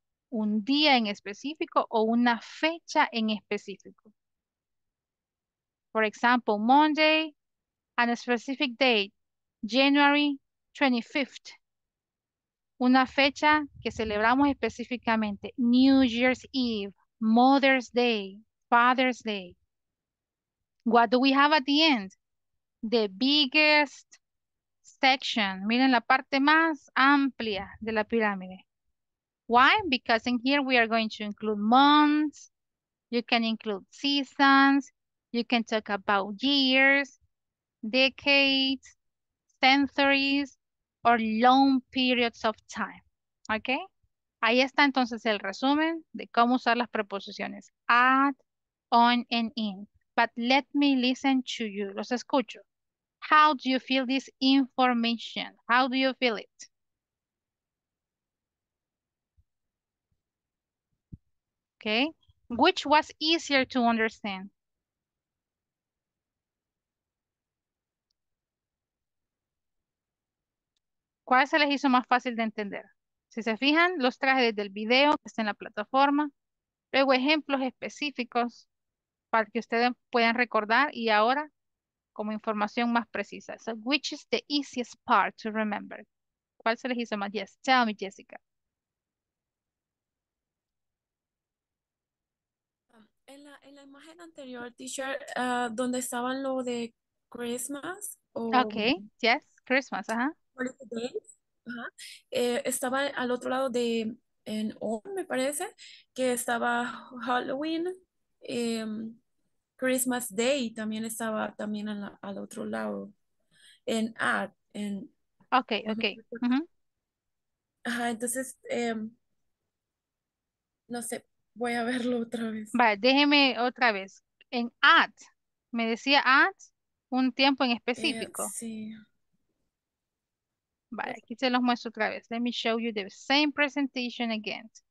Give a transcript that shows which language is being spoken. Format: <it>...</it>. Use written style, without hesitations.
<es>Un día en específico o una fecha en específico.</es> <en>For example, Monday, and a specific date, January 25th.</en> <es>Una fecha que celebramos específicamente, New Year's Eve, Mother's Day, Father's Day.</es> <en>What do we have at the end? The biggest section.</en> <es>Miren la parte más amplia de la pirámide.</es> <en>Why? Because in here we are going to include months, you can include seasons, you can talk about years, decades, centuries, or long periods of time.</en> <es>Okay? Ahí está entonces el resumen de cómo usar las preposiciones at, on, and in.</es> <en>but let me listen to you.</en> <es>Los escucho.</es> <en>How do you feel this information? How do you feel it? Okay. Which was easier to understand?</en> <es>¿Cuál se les hizo más fácil de entender? Si se fijan, los traje desde el video que está en la plataforma. Luego ejemplos específicos para que ustedes puedan recordar y ahora como información más precisa.</es> <en>So, which is the easiest part to remember?</en> <es>¿Cuál se les hizo más?</es> <en>Yes, tell me,</en> <es>Jessica. En la imagen anterior, teacher, donde estaban lo de Christmas.</es> <en>Okay, yes, Christmas, ajá.</en> <es>Estaba al otro lado de, en on, me parece, que estaba Halloween, Christmas Day, también estaba también al otro lado, en at, en...</es> <en>Okay, okay.</en> <es>Ajá, entonces, no sé, voy a verlo otra vez. Vale, déjeme otra vez. En at, me decía at, un tiempo en específico. Sí. Vale, aquí se los muestro otra vez.</es> <en>Let me show you the same presentation again.</en>